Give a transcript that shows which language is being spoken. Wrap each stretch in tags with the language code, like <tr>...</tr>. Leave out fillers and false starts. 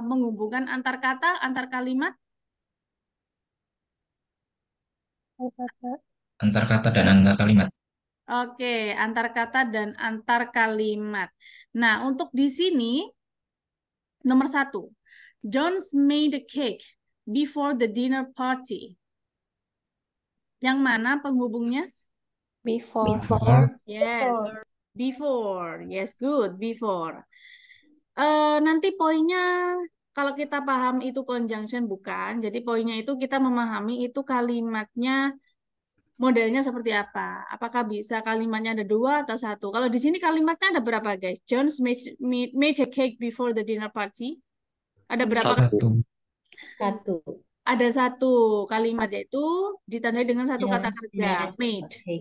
<id>Menghubungkan antar kata, antar kalimat? Antar kata dan antar kalimat. Oke, antar kata dan antar kalimat. Nah, untuk di sini, nomor satu.</id> <en>John's made a cake before the dinner party.</en> <id>Yang mana penghubungnya?</id> <en>Before. Before. Yes. Before. Yes, good. Before.</en> <id>Nanti poinnya, kalau kita paham itu conjunction, bukan. Jadi poinnya itu kita memahami itu kalimatnya, modelnya seperti apa? Apakah bisa kalimatnya ada dua atau satu? Kalau di sini kalimatnya ada berapa, guys?</id> <en>John's made a cake before the dinner party.</en> <id>Ada berapa? Satu. Satu. Ada satu kalimat, yaitu ditandai dengan satu kata kerja, made.</id>